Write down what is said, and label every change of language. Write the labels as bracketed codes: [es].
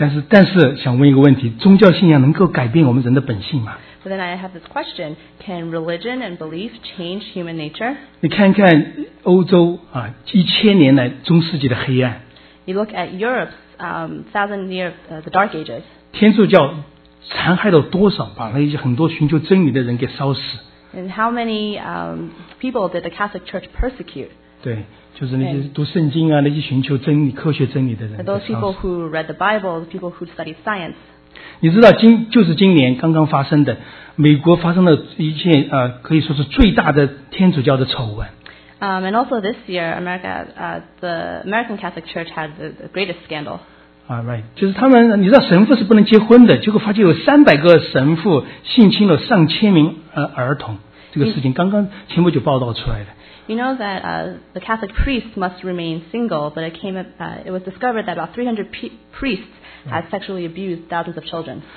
[zh] 但是想问一个问题，宗教信仰能够改变我们人的本性吗？ [en] So then I have this question. Can religion and belief change human nature? [zh] 你看看欧洲一千年来中世纪的黑暗。 [en] You look at Europe's thousand year, the Dark Ages. [zh] 天主教残害了多少，把那些很多寻求真理的人给烧死。 [en] And how many people did the Catholic Church persecute? [zh] 对，就是那些读圣经啊，那些寻求真理、科学真理的人。 [en] Those people who read the Bible, the people who studied science. [zh] 你知道今年刚刚发生的，美国发生了一件可以说是最大的天主教的丑闻。 [en] And also this year, America, the American Catholic Church had the greatest scandal. Right. [zh] 就是他们，你知道神父是不能结婚的，结果发现有300个神父性侵了上千名儿童，这个事情刚刚前不久报道出来的。 [en] You know that the Catholic priests must remain single, but it was discovered that about 300 priests had sexually abused thousands of children.